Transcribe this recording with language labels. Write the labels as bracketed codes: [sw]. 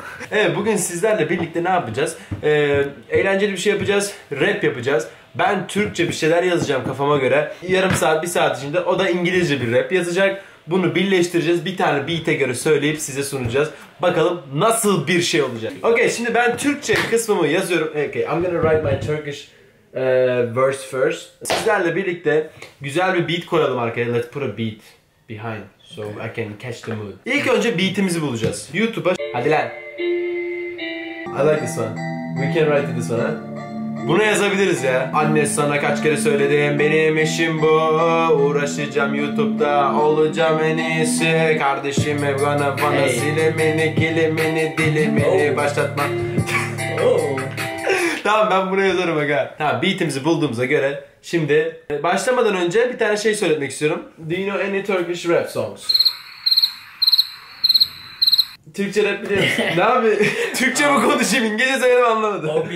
[tr] Evet, bugün sizlerle birlikte ne yapacağız? Eğlenceli bir şey yapacağız, rap yapacağız. Ben Türkçe bir şeyler yazacağım kafama göre. Yarım saat, bir saat içinde o da İngilizce bir rap yazacak. Bunu birleştireceğiz, bir tane beat'e göre söyleyip size sunacağız. Bakalım nasıl bir şey olacak. Okay, şimdi ben Türkçe kısmımı yazıyorum. [en] Okay, I'm gonna write my Turkish verse first. [tr] Sizlerle birlikte güzel bir beat koyalım arkaya. [en] Let's put a beat behind so I can catch the mood. [tr] İlk önce beat'imizi bulacağız. YouTube'a hadi lan. [en] I like this one. We can write this one, huh? [tr] Bunu yazabiliriz ya. Anne sana kaç kere söyledim, benim işim bu. Uğraşacağım YouTube'da, olacağım en iyisi. Kardeşim hep bana bana hey. Silimini, kilimini, dilimini oh. başlatma. Tamam, ben bunu yazarım aga. Tamam, beat'imizi bulduğumuza göre. Şimdi başlamadan önce bir tane şey söylemek istiyorum. [en] Do you know any Turkish rap songs? [tr] Türkçe rap biliyor musun? Ne abi? Türkçe mi konuşayım? İngilizce söyledim anlamadım.